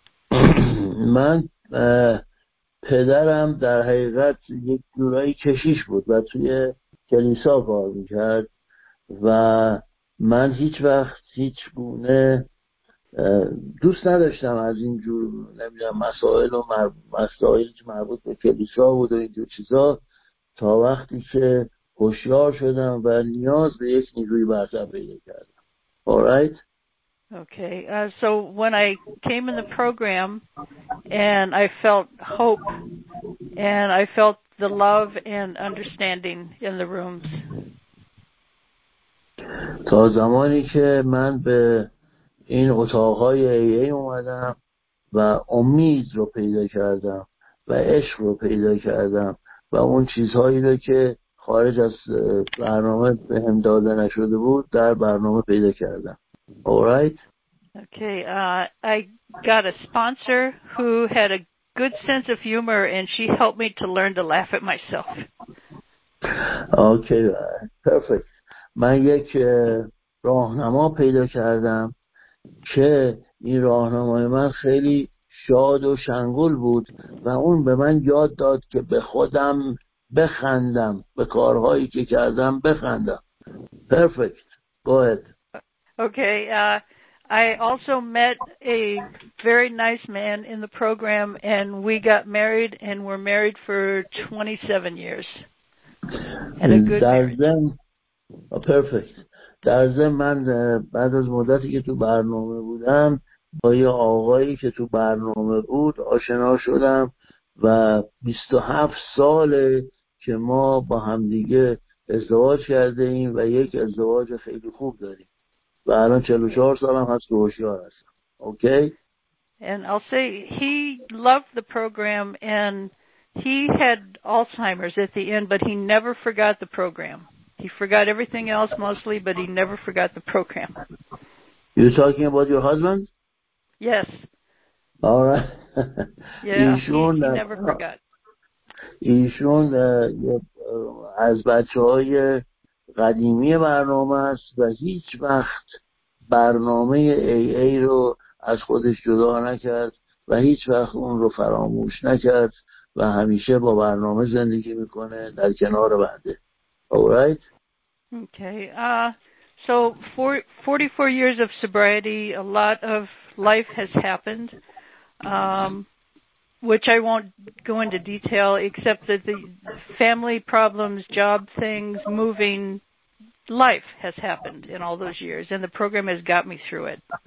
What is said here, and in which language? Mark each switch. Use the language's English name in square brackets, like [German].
[Persian] من پدرم در حقیقت یک جورایی کشیش بود و توی کلیسا کار میکرد و من هیچ وقت هیچ گونه دوست نداشتم از این جور نمیدونم مسائل و مسائل مربوط به کلیسا بود و این جور چیزا تا وقتی که هوشیار شدم و نیاز به یک نیروی برتر پیدا کردم. [English] Alright. Okay, so when I came in the program and I felt hope and I felt the love and understanding in the rooms. [Persian] تا زمانی که من به این اتاقهای AA اومدم و امید رو پیدا کردم و عشق رو پیدا کردم و اون چیزهایی رو که خارج از برنامه به هم داده نشده بود در برنامه پیدا کردم. [English] Alright. Okay, I got a sponsor who had a good sense of humor and she helped me to learn to laugh at myself. Okay, perfect. [Persian] من یک راهنما پیدا کردم که این راهنمای من خیلی شاد و شنگول بود و اون به من یاد داد که به خودم بخندم، به کارهایی که کردم بخندم. [English] Perfect. Go ahead. Okay, I also met a very nice man in the program and we got married and were married for 27 years. And a good marriage. Perfect. [Persian] در ضمن من بعد از مدتی که تو برنامه بودم با یه آقایی که تو برنامه بود آشنا شدم و 27 ساله که ما با همدیگه ازدواج کرده ایم و یک ازدواج خیلی خوب داریم. و الان 44 سالم هست و هوشیار هستم. [English] Okay. And I'll say he loved the program and he had Alzheimer's at the end, but he never forgot the program. He forgot everything else mostly, but he never forgot the program. You're talking about your husband? Yes. All right. Yeah. He never forgot. [Persian] ایشون از بچه‌های قدیمی برنامه است و هیچ وقت برنامه AA رو از خودش جدا نکرد و هیچ وقت اون رو فراموش نکرد و همیشه با برنامه زندگی میکنه در کنار بنده. [English] Alright. Okay. So for 44 years of sobriety, a lot of life has happened, which I won't go into detail, except that the family problems, job things, moving, life has happened in all those years, and the program has got me through it.